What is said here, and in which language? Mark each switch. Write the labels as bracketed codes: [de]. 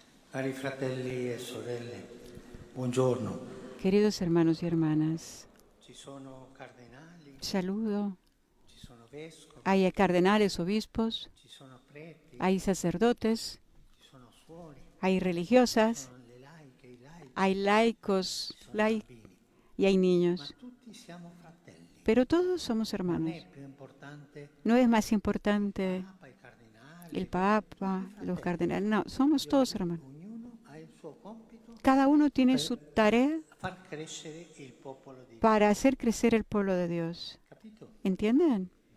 [it] Cari fratelli e sorelle, buongiorno. [es] Queridos hermanos y hermanas, [it] ci sono cardinali, [es] saludo. [it] Ci sono vescovi, [es] hay cardenales, obispos. [it] Ci sono preti, [es] hay sacerdotes. [it] Ci sono suori, [es] hay religiosas. [it] Ci sono le laiche, i laici, [es] hay laicos, [it] ci sono laic, bambini, [es] y hay niños. [it] Ma tutti siamo fratelli. [es] Pero todos somos hermanos. [it] Non è più importante, [es] no es más importante. El Papa, los cardenales, no, somos todos hermanos. Cada uno tiene su tarea para hacer crecer el pueblo de Dios. ¿Entienden?